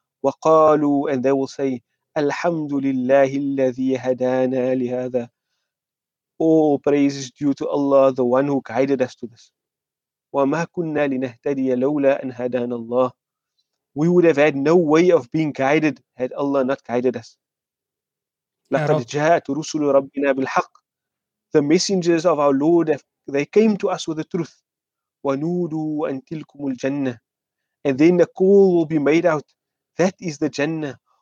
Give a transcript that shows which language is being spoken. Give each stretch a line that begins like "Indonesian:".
Arabic: وَقَالُوا,
English: and they will say,
Arabic: الحمد لله الذي هدانا لهذا.
English: All praise is due to Allah, the one who guided us to this.
Arabic: وما كنا لنهتدي لولا أن هدانا الله.
English: We would have had no way of being guided had Allah not guided us.
Arabic: لقد جاءت رسل ربنا بالحق.
English: The messengers of our Lord, they came to us with the truth.
Arabic: ونودوا أن تلكم الجنة.
English: And then a call will be made out. That is the Jannah.